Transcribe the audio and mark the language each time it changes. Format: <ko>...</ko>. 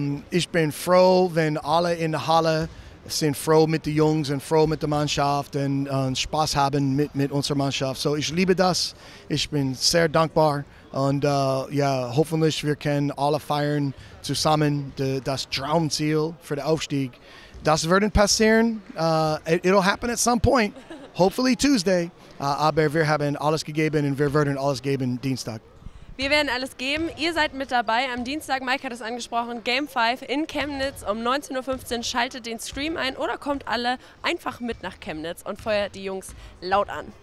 <de>Ich bin froh, wenn alle in der Halle sind froh mit den Jungs und froh mit der Mannschaft und Spaß haben mit unserer Mannschaft. So, ich liebe das. Ich bin sehr dankbar. Und ja, hoffentlich wir können alle feiern zusammen das Traumziel für den Aufstieg. Das wird passieren.</de> <en>It'll happen at some point. Hopefully Tuesday.</en> <de>Aber wir haben alles gegeben und wir werden alles geben Dienstag. Wir werden alles geben. Ihr seid mit dabei am Dienstag. Mike hat es angesprochen. Game 5 in Chemnitz um 19.15 Uhr. Schaltet den Stream ein oder kommt alle einfach mit nach Chemnitz und feuert die Jungs laut an.</de>